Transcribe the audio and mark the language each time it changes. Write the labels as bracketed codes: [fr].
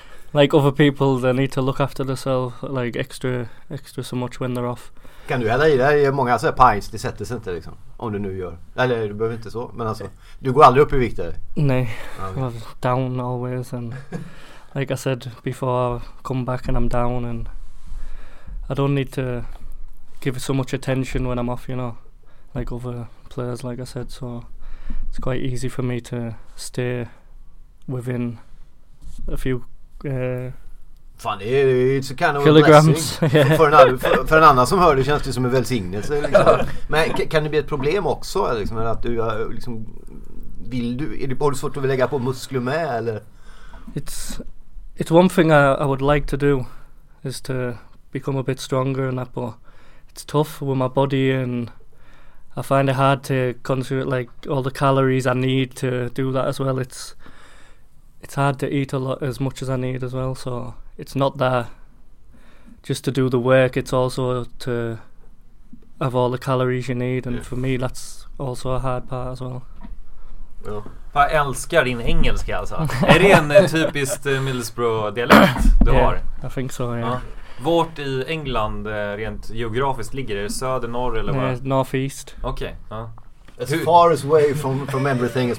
[en] Like other people, they need to look after themselves like extra so much when they're off. [sv] Kan du hälla i det? Det är många så här pints, det sätter sig inte liksom. Om du nu gör. Eller du behöver inte så. Men alltså, du går aldrig upp i vikt där. [en] Nej, okay. I'm down always. And like I said before, I come back and I'm down. And I don't need to give so much attention when I'm off, you know. Like other players, like I said. So it's quite easy for me to stay within a few... Fan, it's a kind of kilograms. [sv] För en annan som hör det känns det som en välsignelse liksom. Men kan det bli ett problem också liksom, att du liksom, vill du, är det, har du svårt att lägga på muskler med eller? [en] It's one thing I would like to do is to become a bit stronger and that, but it's tough with my body and I find it hard to consume like all the calories I need to do that as well. It's hard to eat a lot as much as I need as well, so it's not there just to do the work, it's also to have all the calories you need, and for me that's also a hard part as well. [sv] Ja. Jag älskar din engelska alltså. Är det en typiskt Middlesbrough-dialekt du [en] yeah, [sv] har? [en] I think so, yeah. Ja. [sv] Vart i England rent geografiskt ligger det? Söder, norr eller vad? [en] North east. [sv] Okej, okay. Ja. [en] As far as away from everything as